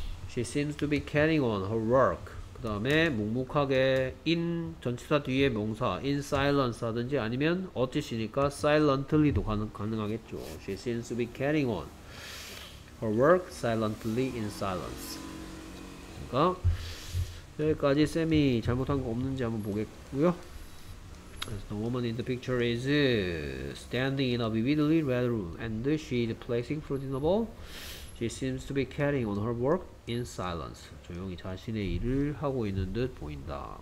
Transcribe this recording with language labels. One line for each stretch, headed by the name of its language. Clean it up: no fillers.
English: She seems to be carrying on her work.
Korean: 그다음에 묵묵하게
English: in 전치사 뒤에 명사 in silence
Korean: 하든지 아니면 어찌시니까
English: silently
Korean: 도 가능하겠죠.
English: She seems to be carrying on her work silently in silence.
Korean: 그러니까 여기까지 쌤이 잘못한 거 없는지 한번 보겠고요.
English: The woman in the picture is standing in a vividly red room and she is placing fruit in a bowl. She seems to be carrying on her work in silence.
Korean: 조용히 자신의 일을 하고 있는 듯 보인다.